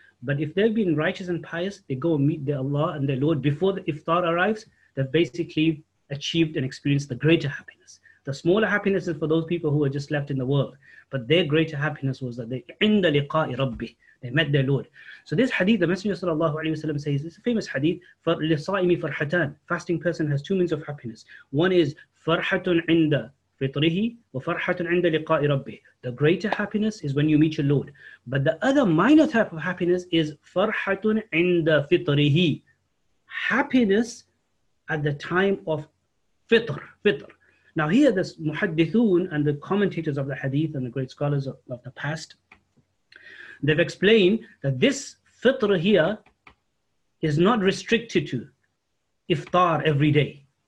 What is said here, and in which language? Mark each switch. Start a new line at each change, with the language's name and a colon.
English: But if they've been righteous and pious, they go and meet their Allah and their Lord before the iftar arrives, they've basically achieved and experienced the greater happiness. The smaller happiness is for those people who are just left in the world. But their greater happiness was that they
Arabic: عند لقاء ربي,
English: they met their Lord. So this hadith, the Messenger sallallahu alayhi wa sallam says, it's a famous hadith,
Arabic: لِصَائِمِ فَرْحَتَان.
English: Fasting person has two means of happiness. One is
Arabic: فَرْحَةٌ عِنْدَ فِطْرِهِ وَفَرْحَةٌ عِنْدَ لِقَاءِ رَبِّهِ.
English: The greater happiness is when you meet your Lord. But the other minor type of happiness is
Arabic: فَرْحَةٌ عِنْدَ فِطْرِهِ.
English: Happiness at the time of fitr. Now here, the muhaddithun and the commentators of the hadith and the great scholars of the past, they've explained that this fitr here is not restricted to iftar every day.